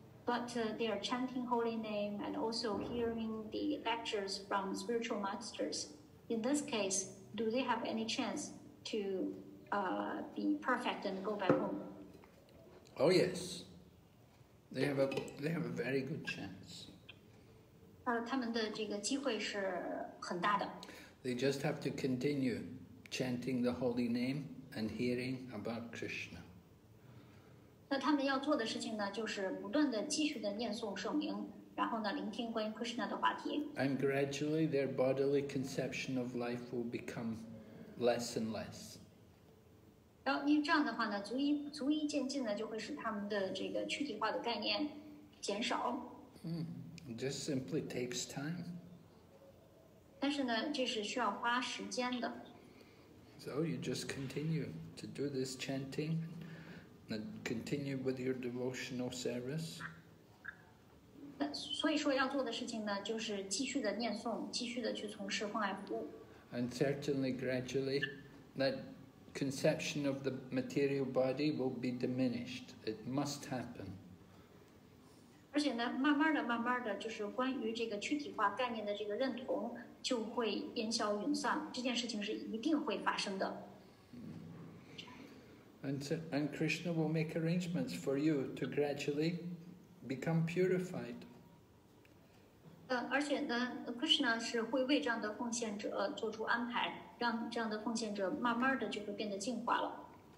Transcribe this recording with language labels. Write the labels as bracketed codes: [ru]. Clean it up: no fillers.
[en] But they are chanting holy name and also hearing the lectures from spiritual masters. In this case, do they have any chance? To be perfect and go back home. Oh yes, they have a very good chance. [zh] 他们的这个机会是很大的。 [en] They just have to continue chanting the holy name and hearing about Krishna. [zh] 那他们要做的事情呢，就是不断的继续的念诵圣名，然后呢，聆听关于 Krishna 的话题。 [en] And gradually, their bodily conception of life will become less and less. [zh] 然后因为这样的话呢，逐一渐进的就会使他们的这个躯体化的概念减少。 [en] Just simply takes time. [zh] 但是呢，这是需要花时间的。 [en] So you just continue to do this chanting, and continue with your devotional service. [zh] 所以说要做的事情呢，就是继续的念诵，继续的去从事奉爱服务。 [en] And certainly, gradually, that conception of the material body will be diminished. It must happen. [zh] 而且呢，慢慢的、慢慢的，就是关于这个躯体化概念的这个认同就会烟消云散。这件事情是一定会发生的。 [en] And Krishna will make arrangements for you to gradually become purified. [zh] 而且呢 ，Krishna 是会为这样的奉献者做出安排，让这样的奉献者慢慢的就会变得净化了。